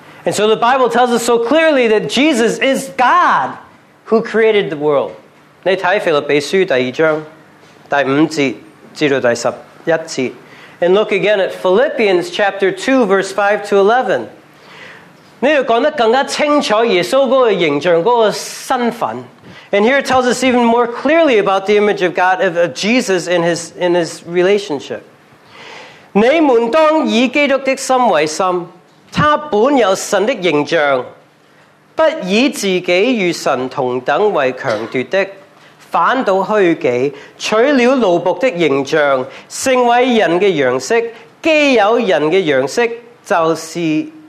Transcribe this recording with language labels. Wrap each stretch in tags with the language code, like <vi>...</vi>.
<en>And so the Bible tells us so clearly that Jesus is God who created the world.</en> <zh>你看腓立比书第二章,第五节至第十一节,</zh> <en>and look again at Philippians chapter 2, verse 5 to 11.</en> <zh>你要讲得更加清楚耶稣那个形象那个身份。</zh> <en>And here it tells us even more clearly about the image of God, of Jesus in his relationship.</en> <zh>你们当以基督的心为心，他本有神的形象，不以自己与神同等为强夺的，反倒虚己，取了奴仆的形象，成为人的样式，既有人的样式，就是。</zh>